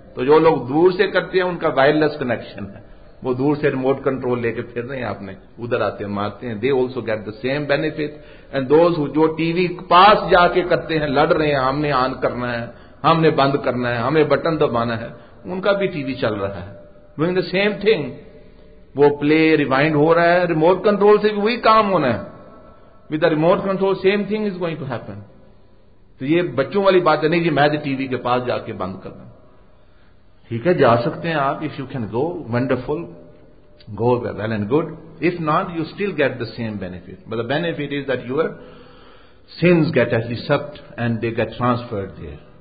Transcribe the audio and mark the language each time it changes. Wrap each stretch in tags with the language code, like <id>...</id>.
<ur>تو جو لوگ دور سے کرتے ہیں ان کا وائرلیس کنیکشن ہے, وہ دور سے ریموٹ کنٹرول لے کے پھر رہے ہیں, آپ نے ادھر آتے ہیں مارتے ہیں,</ur> <en>They also get the same benefit. And those</en> <ur>جو ٹی وی پاس جا کے کرتے ہیں, لڑ رہے ہیں ہم نے آن کرنا ہے, ہم نے بند کرنا ہے, ہمیں بٹن دبانا ہے, ان کا بھی ٹی وی چل رہا ہے,</ur> <en>Doing the same thing.</en> <ur>وہ پلے ریوائنڈ ہو رہا ہے, ریموٹ کنٹرول سے بھی وہی کام ہونا ہے.</ur> <en>With the remote control same thing is going to happen.</en> <ur>تو یہ بچوں والی بات ہے نہیں کہ میں ٹی وی کے پاس جا کے بند کرنا. ٹھیک ہے, جا سکتے ہیں آپ,</ur> <en>If you can go wonderful, go well and good. If not you still get the same benefit, but the benefit is that your sins get at least sucked and they get transferred there.</en>